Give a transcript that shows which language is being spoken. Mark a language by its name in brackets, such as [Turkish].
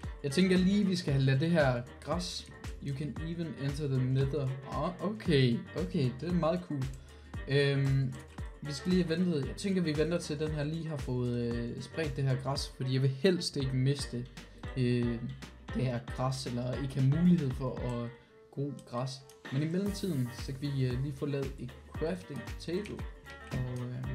[Danish] Jeg tænker lige, vi skal have ladt det her græs. [English] You can even enter the nether. [Danish] Okay. Det er meget cool. Vi skal lige have ventet. Jeg tænker, vi venter til, den her lige har fået spredt det her græs. Fordi jeg vil helst ikke miste det her græs. Eller ikke have mulighed for at gro græs. Men i mellemtiden, så kan vi lige få lavet et crafting table. Og...